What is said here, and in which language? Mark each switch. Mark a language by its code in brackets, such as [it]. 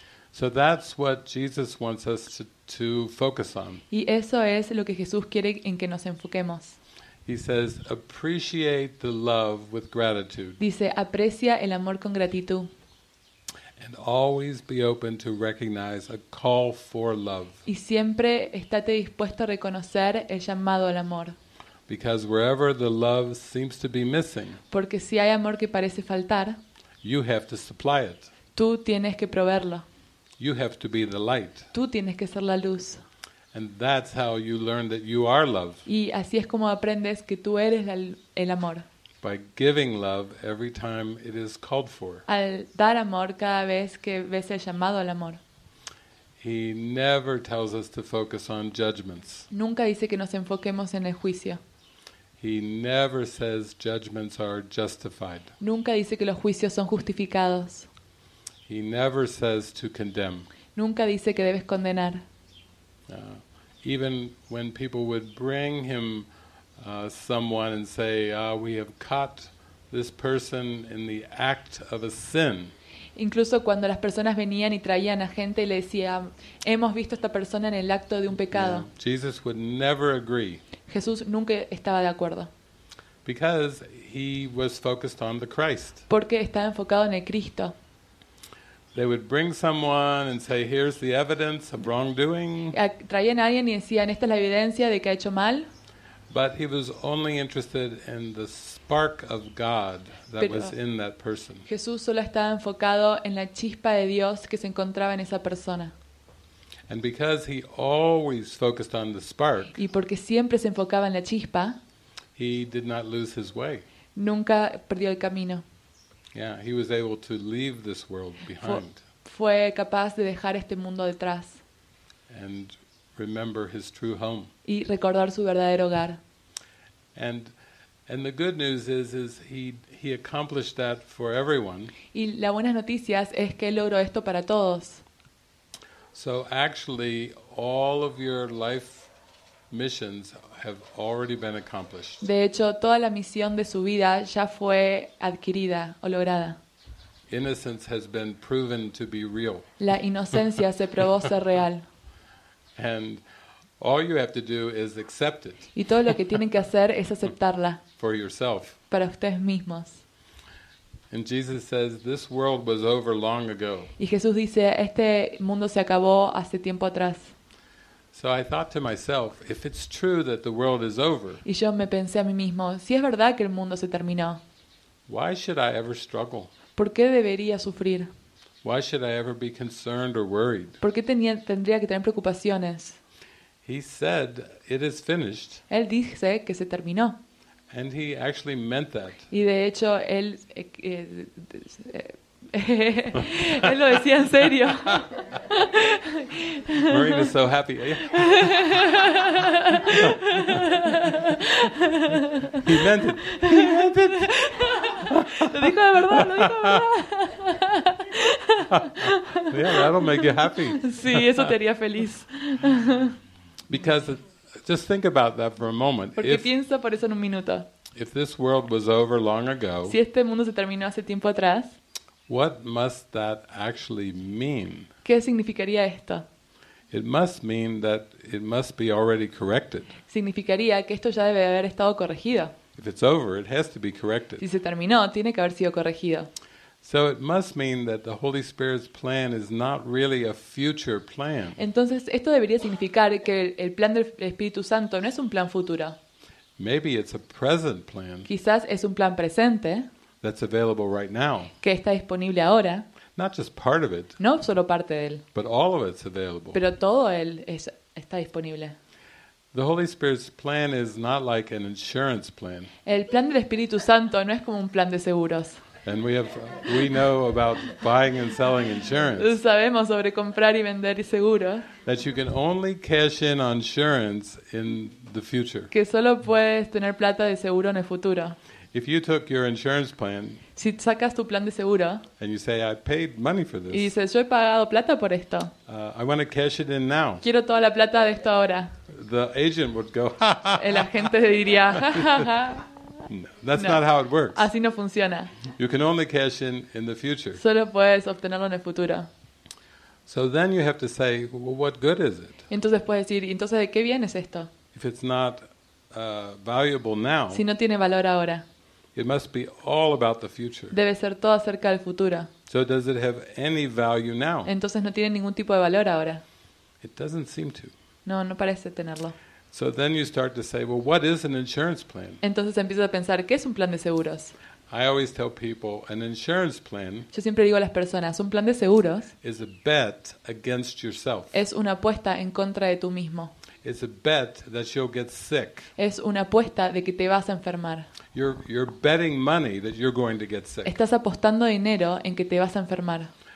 [en] So that's what Jesus wants us to focus on. [es] Y eso es lo que Jesús quiere en que nos enfoquemos. [en] He says, appreciate the love with gratitude. [es] Dice, aprecia el amor con gratitud. [en] And always be open to recognize a call for love. [es] Y siempre estate dispuesto a reconocer el llamado al amor. [en] Because wherever the love seems to be missing. [es] Porque si hay amor que parece faltar. [en] You have to supply it. [es] Tú tienes que proveerlo. [en] You have to be the light. [es] Tú tienes que ser la luz. [en] And that's how you learn that you are love. [es] Y así es como aprendes que tú eres el amor. [en] By giving love every time it is called for. [es] Al dar amor cada vez que ves el llamado al amor. [en] He never tells us to focus on judgments. [es] Nunca dice que nos enfoquemos en el juicio. [en] He never says judgments are justified. [es] Nunca dice que los juicios son justificados. [en] He never says to condemn. [es] Nunca dice que debes condenar. [en] Even when people would bring him someone and say, we have caught this person in the act of a sin. [es] Incluso cuando las personas venían y traían a gente y le decían, hemos visto a esta persona en el acto de un pecado. [en] Yeah. Jesus would never agree. [es] Jesús nunca estaba de acuerdo. [en] Because he was focused on the Christ. [es] Porque estaba enfocado en el Cristo. [en] They would bring someone and say, here's the evidence of wrongdoing. [es] Traían a alguien y decían, esta es la evidencia de que ha hecho mal. [en] But he was only interested in the spark of God that was in that person. [es] Jesús solo estaba enfocado en la chispa de Dios que se encontraba en esa persona. [en] And because he always focused on the spark, [es] y porque siempre se enfocaba en la chispa, [en] he did not lose his way. [es] Nunca perdió el camino. [en] Yeah, he was able to leave this world behind. [es] Fue capaz de dejar este mundo detrás. [en] And remember his true home. [es] Y recordar su verdadero hogar. [en] And the good news is he accomplished that for everyone. [es] Y la buena noticia es que él logró esto para todos. [en] So actually all of your life missions have already been accomplished. [es] De hecho, toda la misión de su vida ya fue adquirida o lograda. [en] Innocence has been proven to be real. [es] La inocencia se probó ser real. [en] And all you have to do is accept it. [es] Y todo lo que tienen que hacer es aceptarla. [en] For yourself. [es] Para ustedes mismos. [en] And Jesus says this world was over long ago. [es] Y Jesús dice, este mundo se acabó hace tiempo atrás. [en] So I thought to myself, if it's true that the world is over. [es] Y yo me pensé a mí mismo, si es verdad que el mundo se terminó. [en] Why should I ever struggle? [es] ¿Por qué debería sufrir? [en] Why should I ever be concerned or worried? [es] ¿Por qué tendría que tener preocupaciones? [en] He said it is finished. [es] Él dice que se terminó. [en] And he actually meant that. [es] Y de hecho él él lo decía en serio. [en] Marina is so happy. He meant it. He meant it. [es] Lo dijo de verdad. [en] Yeah, that'll make you happy. [es] Sí, eso te haría feliz. [en] Because just think about that for a moment. [es] Porque piensa por eso en un minuto. [en] If this world was over long ago. [es] Si este mundo se terminó hace tiempo atrás. [en] What must that actually mean? [es] ¿Qué significaría esto? [en] It must mean that it must be already corrected. [es] Significaría que esto ya debe haber estado corregido. [en] If it's over, it has to be corrected. [es] Si se terminó, tiene que haber sido corregido. [en] So it must mean that the Holy Spirit's plan is not really a future plan. [es] Entonces esto debería significar que el plan del Espíritu Santo no es un plan futuro. [en] Maybe it's a present plan. [es] Quizás es un plan presente. [en] That's available right now. [es] Que está disponible ahora. [en] Not just part of it. [es] No solo parte de él. [en] But all of it's available. [es] Pero todo él está disponible. [en] The Holy Spirit's plan is not like an insurance plan. [es] El plan del Espíritu Santo no es como un plan de seguros. [en] And we know about buying and selling insurance. [es] Sabemos sobre comprar y vender seguros. [en] That you can only cash in on insurance in the future. [es] Que solo puedes tener plata de seguro en el futuro. [en] If you took your insurance plan. [es] Si sacas tu plan de seguro. [en] And you say I paid money for this. [es] Y dices yo he pagado plata por esto. [en] I want to cash it in now. [es] Quiero toda la plata de esto ahora. [en] The agent would go. [es] El agente diría. [en] No, that's not how it works. [es] Así no funciona. [en] You can only cash in the future. [es] Solo puedes obtenerlo en el futuro. [en] So then you have to say, well, what good is it? [es] Entonces puedes decir, ¿entonces de qué bien es esto? [en] If it's not valuable now. [es] Si no tiene valor ahora. [en] It must be all about the future. [es] Debe ser todo acerca del futuro. [en] So does it have any value now? [es] Entonces no tiene ningún tipo de valor ahora. [en] It doesn't seem to. [es] No, no parece tenerlo. [en] So then you start to say, well, what is an insurance plan? [es] Entonces empiezas a pensar, ¿qué es un plan de seguros? [en] I always tell people an insurance plan. [es] Yo siempre digo a las personas, un plan de seguros. [en] Is a bet against yourself. [es] Es una apuesta en contra de tú mismo. [en] It's a bet that you'll get sick. [es] Es una apuesta de que te vas a enfermar. [en] You're betting money that you're going to get sick. [es] Estás apostando dinero en que te vas a enfermar.